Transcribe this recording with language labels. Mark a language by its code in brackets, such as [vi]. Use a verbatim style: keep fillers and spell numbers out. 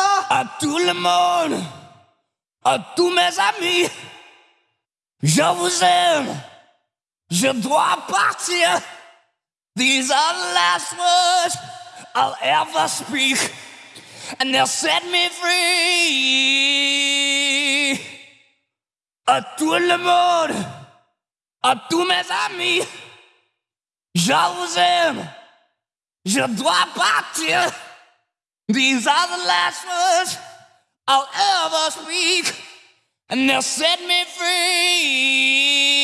[fr] À tout le monde, à tous mes amis, je vous aime, je dois partir. [en] These are the last words I'll ever speak, and they'll set me free. [fr] À tout le monde, à tous mes amis, je vous aime, je dois partir. [en] These are the last words I'll ever speak, and they'll set me free.